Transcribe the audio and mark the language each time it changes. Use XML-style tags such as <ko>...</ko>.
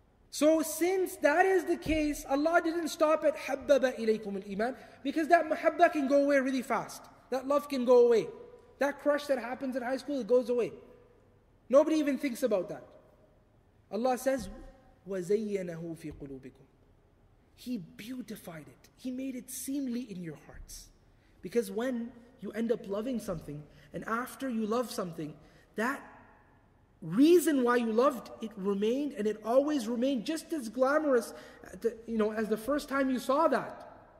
<en>So since that is the case, Allah didn't stop at</en> <ar>حَبَّبَ إِلَيْكُمُ الْإِيمَانِ,</ar> <en>because that muhabba can go away really fast. That love can go away. That crush that happens in high school, it goes away. Nobody even thinks about that.</en> <ar>Allah says, وَزَيَّنَهُ فِي قُلُوبِكُمْ.</ar> <en>He beautified it. He made it seemly in your hearts. Because when you end up loving something, and after you love something, that reason why you loved it remained, and it always remained just as glamorous, you know, as the first time you saw that.</en>